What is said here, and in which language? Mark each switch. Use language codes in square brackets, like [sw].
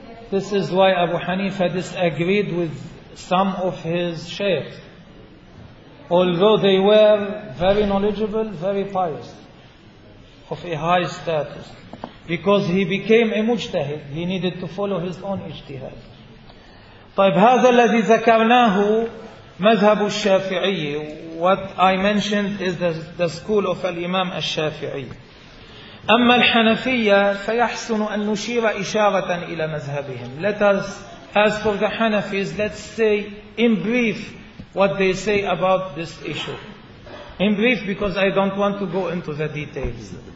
[en] this is why Abu Hanifa disagreed with some of his shaykhs, although they were very knowledgeable, very pious, of a high status." Because he became a mujtahid, he needed to follow his own ijtihad. [ar] طيب هذا الذي ذكرناه مذهب الشافعي. [en] What I mentioned is the school of الإمام الشافعي. [ar] أما الحنفية فيحسن أن نشير إشارة إلى مذهبهم. [en] Let us, as for the Hanafis, let's say in brief what they say about this issue. In brief, because I don't want to go into the details.